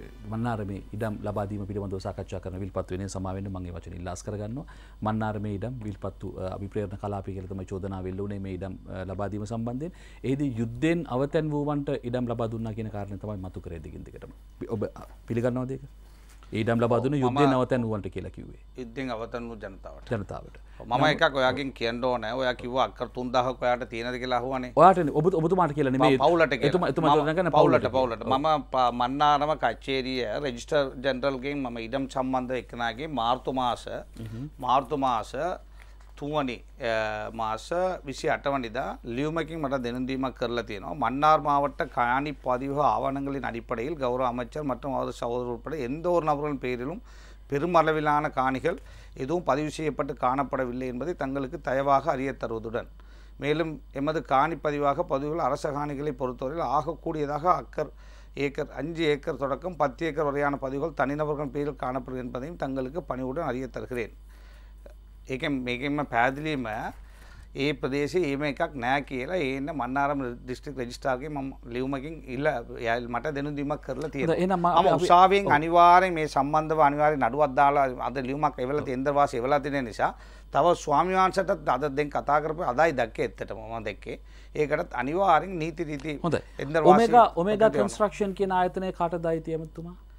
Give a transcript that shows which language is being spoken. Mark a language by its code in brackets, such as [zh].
[si] මන්නාරමේ ඉඩම් ලබා දීම පිළිබඳව සාකච්ඡා කරන විල්පත්තුවේ සමාවෙන්න මම ඒ වචන ඉල්ලාස් කරගන්නවා මන්නාරමේ ඉඩම් විල්පත්තු අභිප්‍රේරණ කලාපය කියලා තමයි චෝදනාව එල්ලුණේ මේ ඉඩම් ලබා දීම සම්බන්ධයෙන් එහෙදී යුද්ධෙන් අවතැන් වූවන්ට ඉඩම් ලබා දුන්නා කියන කාරණේ තමයි මතු කරේ දිගින් දිගටම ඔබ පිළිගන්නවද ඒක ඊඩම් ලබා දුන්නේ යුද්ධයෙන් අවතැන් වූවන්ට කියලා කිව්වේ යුද්ධෙන් අවතැන් වූ ජනතාවට ජනතාවට මම එකක් ඔයාගෙන් කියන්න ඕනේ ඔයා කිව්වා අක්කර 3000ක් ඔයාට තියෙනද කියලා අහුවනේ ඔයාට ඔබතුමාට කියලා නෙමෙයි පවුලට එතුමා පවුලට මම මන්නාරම කච්චේරිය රෙජිස්ටර් ජෙනරල් ගෙන් මම ඊඩම් සම්බන්ධ එක්කනාගේ මාර්තු මාස 3 මාස 28 වෙනිදා ලියුමකින් මට දෙනු දීමක් කරලා තියෙනවා මන්නාර මාවට කයානි පදිව ආවණංගලின் அடிப்படையில் ගෞරව [ta] அமைச்சர் மற்றும் அவரது சகோதரர் உட்பட எந்த ஒரு நபரின் பெயரிலும் பெருமளவிலான காணிகள் எதுவும் பதிவு செய்யப்பட்டு காணப்படவில்லை என்பதை தங்களுக்கு தயவாக அறிய தருவதுடன் மேலும் எமது காணி பதிவாக பதிவுகள் அரச காணிகளை பொறுத்தவரையில் ஆகக்கூடியதாக அக்கர் ஏக்கர் 5 தொடக்கம் 10 வரையான பதிவுகள் தனிநபர்கள் பெயரில் காணப்படும் என்பதையும் தங்களுக்கு பணிவுடன் அறிய தருகிறேன் [si] ඒකෙන් මේකෙන්ම පැහැදිලිම ඒ ප්‍රදේශයේ ඒම එකක් නැහැ කියලා ඒන මන්නාරම ඩිස්ත්‍රික් රෙජිස්ට්‍රාර්ගේ මම ලියුමකින් ඉල්ලා මට දෙනු දීමක් කරලා තියෙනවා. මම උසාවියෙන් අනිවාර්යෙන් මේ සම්බන්ධව අනිවාර්යෙන් නඩුවක් දාලා අද ලියුමක් එවලා තෙන්දරවාසි එවලා තියෙන නිසා තව ස්වාමිවංශටත් අද දැන් කතා කරපු අදයි දැක්කේ ඇත්තටම මම දැක්කේ. ඒකටත් අනිවාර්යෙන් නීති රීති තෙන්දරවාසි ඔමේගා ඔමේගා කන්ස්ට්‍රක්ෂන් කියන ආයතනයේ කාටද අයිති එමුතුමා?